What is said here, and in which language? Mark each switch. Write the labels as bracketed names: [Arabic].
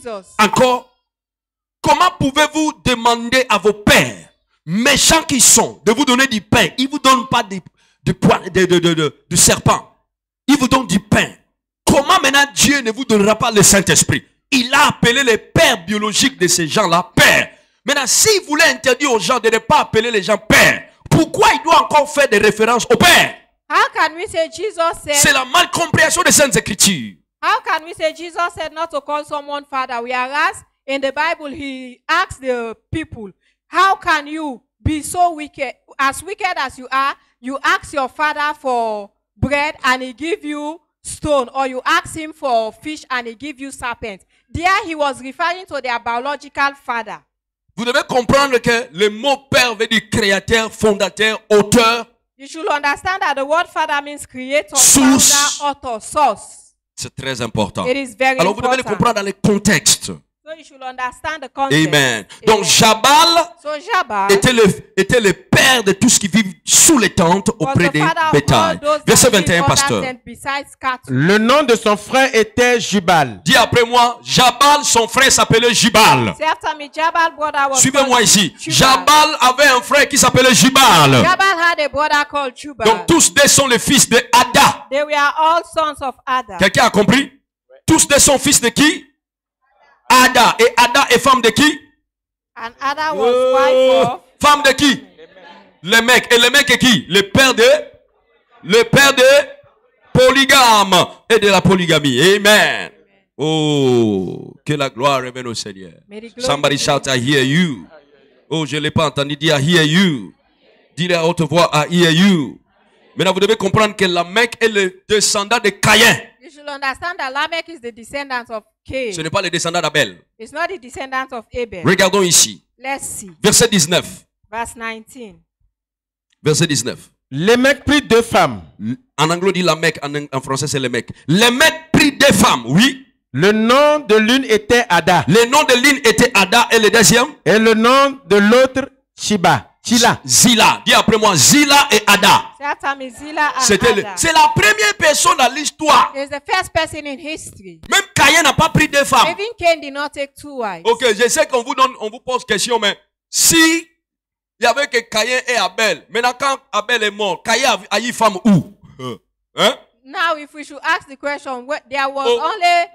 [French] Dire encore, comment pouvez-vous demander à vos pères méchants qu'ils sont, de vous donner du pain, ils ne vous donnent pas de serpent. Il vous donne du pain. Comment maintenant Dieu ne vous donnera pas le Saint-Esprit? Il a appelé les pères biologiques de ces gens-là, pères. Maintenant, s'il voulait interdire aux gens de ne pas appeler les gens pères, pourquoi il doit encore faire des références au Père? [English] How can we say Jesus said? [French] C'est la mal compréhension des Saintes Écritures. [English] How can we say Jesus said not to call someone father? We are asked in the Bible, he asks the people, how can you be so wicked as you are? You ask your father for bread and he give you stone, or you ask him for fish and he give you serpent. There he was referring to their biological father. [French] Vous devez comprendre que le mot père veut dire créateur, fondateur, auteur. [English] You should understand that the word father means creator, founder, author, source. [French] C'est très important. [English] It is very important. [French] Alors vous devez le comprendre dans le contexte. [English] So you should understand the context. [French] Amen. Donc Jabal, [English] so Jabal [French] était le père de tout ce qui vit sous les tentes auprès des bétails. Verset 21, pasteur. Le nom de son frère était Jubal. Dis après moi, Jabal, son frère s'appelait Jubal. Suivez-moi ici. Jabal avait un frère qui s'appelait [English] Jubal. Jabal had a brother called Jubal. [French] Donc tous deux sont les fils de Ada. [English] They were all sons of Ada. [French] Quelqu'un a compris? Tous deux sont fils de qui? Ada. Et Ada est femme de qui? [English] And Ada was wife of... [French] Femme de qui? Le mec. Et le mec est qui? Le père de polygame et de la polygamie. Amen. Oh, que la gloire revienne au Seigneur. [English] Somebody shout, I hear you. [French] Oh, je ne l'ai pas entendu dire, [English] I hear you. [French] Dis-le à haute voix, [English] I hear you. [French] Maintenant, vous devez comprendre que la mec est le descendant de Caïn. [English] You should understand that Lamech is the descendant of Cain. [French] Ce n'est pas le descendant d'Abel. [English] It's not the descendant of Abel. [French] Regardons ici. [English] Let's see. [French] Verset 19. [English] Verse 19. [French] Verset 19. Lémec prit deux femmes. En anglais, dit Lamech. En français, c'est Lémec. Lémec prit deux femmes. Oui. Le nom de l'une était Ada. Le nom de l'une était Ada. Et le deuxième? Et le nom de l'autre, Shiba. Zila. Zila. Dis après moi, Zila et Ada. Zila et c'était Ada. C'est la première personne dans l'histoire. [English] It's the first person in history. [French] Même Caïn n'a pas pris deux femmes. [English] Even Cain did not take two wives. [French] Ok, je sais qu'on vous donne, on vous pose question, mais si... Il y avait que Caïn et Abel. Maintenant, quand Abel est mort, Caïn a eu femme où? Hein? [English] Now, if we should ask the question, there was only.